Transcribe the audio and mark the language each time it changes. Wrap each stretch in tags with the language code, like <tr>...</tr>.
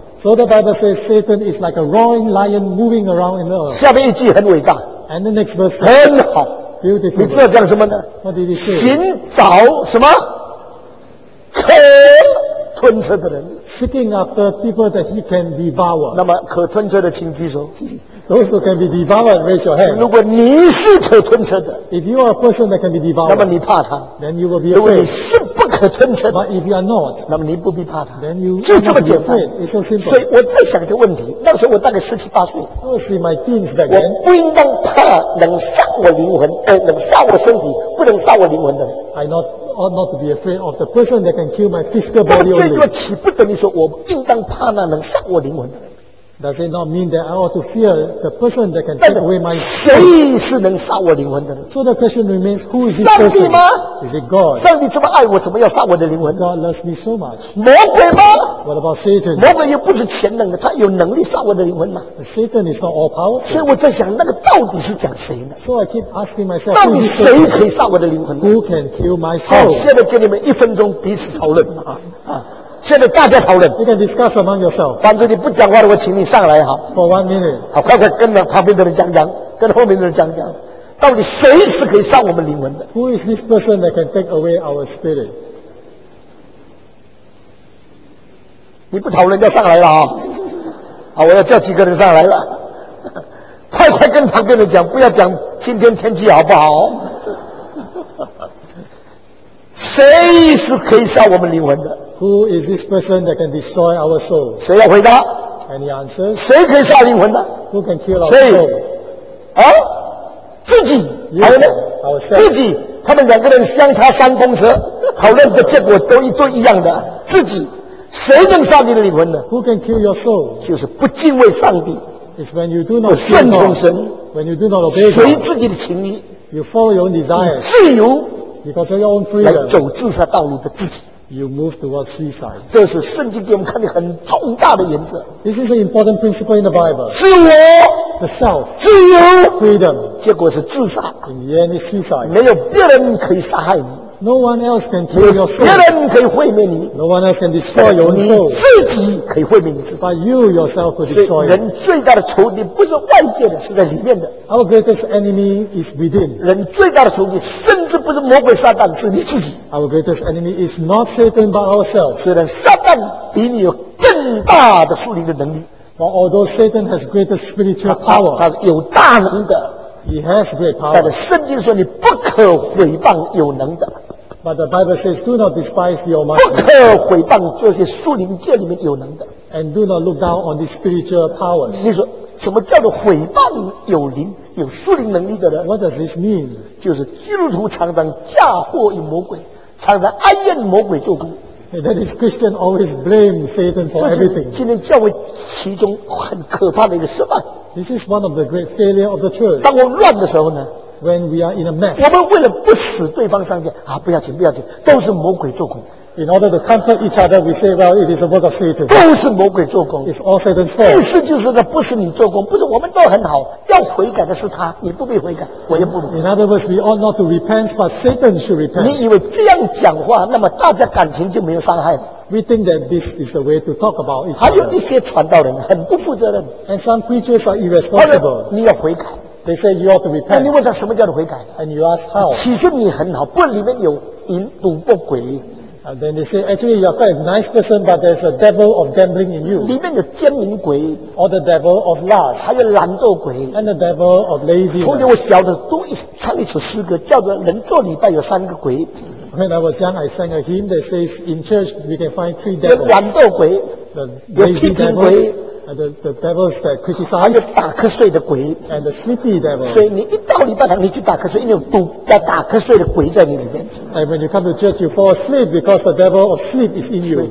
<en>So the Bible says Satan is like a roaring lion moving around in the earth.</en> <zh>下面一句很伟大。</zh> <en>And the next verse.</en> <zh>很好。</zh> <en>Beautiful.</en> <zh>你知道讲什么呢？</zh> <en>What did he say?</en> <zh>寻找什么？可吞吃的人。</zh> <en>Seeking after people that he can devour.</en> <zh>那么可吞吃的请举手。</zh> <en>Those who can be devoured, raise your hand.</en> <zh>如果你是可吞吃的。</zh> <en>If you are a person that can be devoured.</en> <zh>那么你怕他。</zh> <en>Then you will be afraid. But if you are not,</en> <zh>那么你不必怕他。</zh> <en>Then you</en> <zh>就这么简单。</zh> <en>It's so simple.</en> <zh>所以我在想一个问题。那时候我大概十七八岁。</zh> <en>See my teens back then.</en> <zh>我不应当怕能杀我灵魂，能杀我身体，不能杀我灵魂的人。</zh> <en>I ought not to be afraid of the person that can kill my physical body only.</en> <zh>那么这句岂不等于说我应当怕那能杀我灵魂的人？</zh> <en>Does it not mean that I ought to fear the person that can take away my soul?</en> <zh>谁是能杀我灵魂的人？</zh> <en>So the question remains, who is this person?</en> <zh>上帝吗？</zh> <en>Is it God?</en> <zh>上帝这么爱我，怎么要杀我的灵魂？</zh> <en>God loves me so much.</en> <zh>魔鬼吗？</zh> <en>What about Satan?</en> <zh>魔鬼又不是全能的，他有能力杀我的灵魂吗？</zh> <en>Satan is not all powerful.</en> <zh>所以我在想，那个到底是讲谁呢？</zh> <en>So I keep asking myself,</en> <zh>到底谁可以杀我的灵魂呢？</zh> <en>Who can kill my soul?</en> <zh>好，现在给你们一分钟彼此讨论啊。现在大家讨论。</zh> <en>You can discuss among yourself.</en> <zh>反正你不讲话的，我请你上来好。</zh> <en>For one minute.</en> <zh>好，快快跟旁边的人讲讲，跟后面的人讲讲，到底谁是可以杀我们灵魂的</zh> <en>？Who is this person that can take away our spirit?</en> <zh>你不讨论就上来了啊！好，我要叫几个人上来了，快快跟旁边的人讲，不要讲今天天气好不好？谁是可以杀我们灵魂的？</zh> <en>Who is this person that can destroy our soul?</en> <zh>谁要回答？</zh> <en>Any answers?</en> <zh>谁可以杀灵魂呢？</zh> <en>Who can kill our soul?</en> <zh>谁？啊？自己？</zh> <en>You,</en> <zh>还有呢？</zh> <en>Ourselves.</en> <zh>自己？他们两个人相差三公尺，讨论的结果都一样的。自己？谁能杀你的灵魂呢？</zh> <en>Who can kill your soul?</en> <zh>就是不敬畏上帝。</zh> <en>It's when you do not</en> <zh>顺从神。</zh> <en>When you do not obey God.</en> <zh>随自己的情欲。</zh> <en>You follow your desire.</en> <zh>自由。</zh> <en>Because of your own freedom.</en> <zh>来走自杀道路的自己。</zh> <en>You move towards suicide.</en> <zh>这是圣经给我们看的很重大的原则。</zh> <en>This is an important principle in the Bible.</en> <zh>自我</zh> <en>，the self，</en> <zh>自由</zh> <en>，freedom，</en> <zh>结果是自杀。</zh> <en>In the end, it's suicide.</en> <zh>没有别人可以杀害你。</zh> <en>No one else can kill your soul.</en> <zh>别人可以毁灭你。</zh> <en>No one else can destroy your soul.</en> <zh>自己可以毁灭你自己。</zh> <en>But you yourself could destroy.</en> <zh>人最大的仇敌不是外界的，是在里面的。</zh> <en>Our greatest enemy is within.</en> <zh>人最大的仇敌甚至不是魔鬼撒旦，是你自己。</zh> <en>Our greatest enemy is not Satan but ourselves.</en> <zh>虽然撒旦比你有更大的属灵的能力。</zh> <en>But although Satan has greater spiritual power.</en> <zh>他是有大能的。</zh> <en>He has great power.</en> <zh>但是圣经说你不可毁谤有能的。</zh> <en>But the Bible says, "Do not despise the Almighty."</en> <zh>不可毁谤这些属灵界里面有能的。</zh> <en>And do not look down on the spiritual powers.</en> <zh>你说什么叫做毁谤有灵有属灵能力的人？</zh> <en>What does this mean?</en> <zh>就是基督徒常常嫁祸于魔鬼，常常哀怨魔鬼做工。</zh> <en>That is Christian always blame Satan for everything.</en> <zh>今天教会其中很可怕的一个失败。</zh> <en>This is one of the great failure of the church.</en> <zh>当我乱的时候呢？</zh> <en>When we are in a mess,</en> <zh>我们为了不使对方伤心啊，不要紧，不要紧，都是魔鬼做工。</zh> <en>In order to comfort each other, we say, "Well, it is a work of Satan."</en> <zh>都是魔鬼做工。</zh> <en>It's all Satan's fault.</en> <zh>意思就是呢，不是你做工，不是我们都很好，要悔改的是他，你不必悔改，我也不必。</zh> <en>In other words, we ought not to repent, but Satan should repent.</en> <zh>你以为这样讲话，那么大家感情就没有伤害？</zh> <en>We think that this is the way to talk about each other.</en> <zh>还有一些传道人很不负责任。</zh> <en>And some preachers are irresponsible.</en> <zh>你要悔改。</zh> <en>They say you ought to repent.</en> <zh>那你问他什么叫做悔改？</zh> <en>And you ask how?</en> <zh>其实你很好，不里面有淫赌博鬼。</zh> <en>And then they say actually you are quite a nice person, but there's a devil of gambling in you.</en> <zh>里面有奸淫鬼。</zh> <en>Or the devil of lust.</en> <zh>还有懒惰鬼。</zh> <en>And the devil of lazy.</en> <zh>从前我小的都唱一首诗歌，叫做人做礼拜有三个鬼。</zh> <en>When I was young, I sang a hymn that says in church we can find three devils.</en> <zh>有懒惰鬼。</zh> <en>The lazy devil. And the devils that criticize. 还</en> <zh>有打瞌睡的鬼。</zh> <en>And the sleepy devils.</en> <zh>所以你一到礼拜堂，你去打瞌睡，因为有毒在打瞌睡的鬼在你里面。</zh> <en>And when you come to church, you fall asleep because the devil of sleep is in you.</en>